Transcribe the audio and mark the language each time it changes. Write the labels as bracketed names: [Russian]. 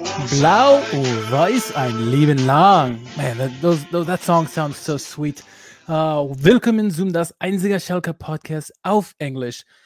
[German] Blau und Weiß ein Leben lang. [English] Man, that song sounds so sweet. [German] Willkommen zum das einzige Schalke Podcast auf Englisch.